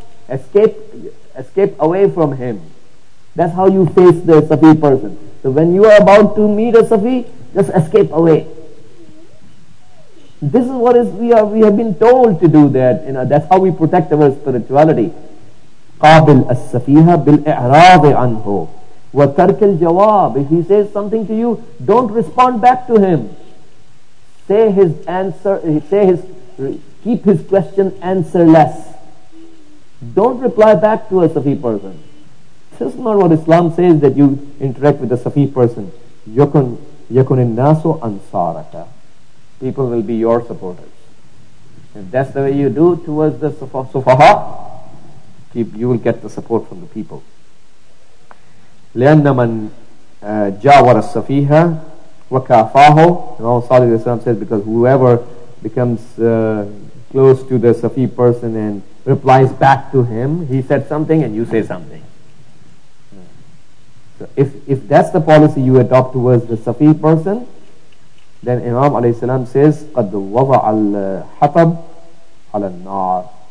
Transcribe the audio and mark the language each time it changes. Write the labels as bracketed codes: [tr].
[en] Escape away from him. That's how you face the safi person. So when you are about to meet a safi, just escape away. This is what we have been told to do that. You know, that's how we protect our spirituality. [ar] قابل السفيه بالإعراض عنه وترك الجواب. [en] If he says something to you, don't respond back to him. Say his answer. Keep his question answerless. Don't reply back to a safi person. This is not what Islam says, that you interact with a safi person. [ar] يكن الناس أنصارك. [en] People will be your supporters. If that's the way you do towards the sufaha, you will get the support from the people. [ar] لأن من جاور السفيه وكافاه. [en] Imam Salih alayhi salam says, because whoever becomes close to the safi person and replies back to him, he said something and you say something. So if that's the policy you adopt towards the safi person, then Imam alayhi salam says, [ar] قد وضع الحطب على النار.